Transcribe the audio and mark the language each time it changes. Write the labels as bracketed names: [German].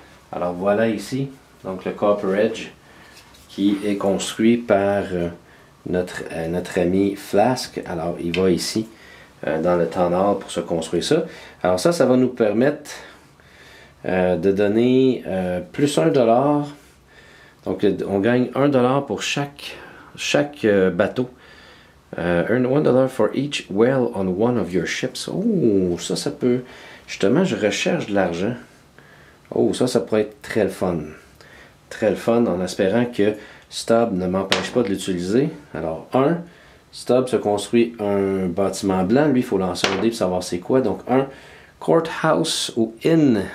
[French] Alors, voilà ici. Donc, le Copperedge qui est construit par notre ami Flask. Alors, il va ici dans le temps d'or pour se construire ça. Alors, ça va nous permettre de donner plus 1$. Donc, on gagne 1$ pour chaque bateau. [English] Earn $1 for each whale on one of your ships. [French] Oh, ça peut... Justement, je recherche de l'argent. Oh, ça pourrait être très le fun. Très le fun, en espérant que Stubb ne m'empêche pas de l'utiliser. Alors, un, Stubb se construit un bâtiment blanc. Lui, il faut lancer un dé pour savoir c'est quoi. Donc, un, courthouse ou inn.